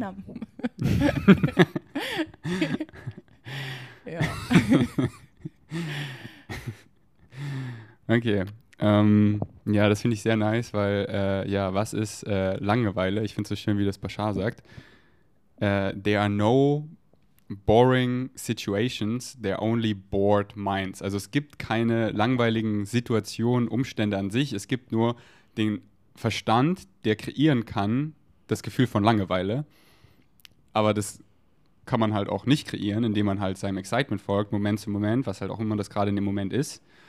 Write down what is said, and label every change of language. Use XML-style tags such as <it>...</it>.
<de>Ja. Okay. Ja, das finde ich sehr nice, weil, ja, was ist Langeweile? Ich finde es so schön, wie das Bashar sagt.</de> <en>There are no boring situations, there are only bored minds.</en> <de>Also es gibt keine langweiligen Situationen, Umstände an sich. Es gibt nur den Verstand, der kreieren kann, das Gefühl von Langeweile. Aber das kann man halt auch nicht kreieren, indem man halt seinem Excitement folgt, Moment zu Moment, was halt auch immer das gerade in dem Moment ist.</de>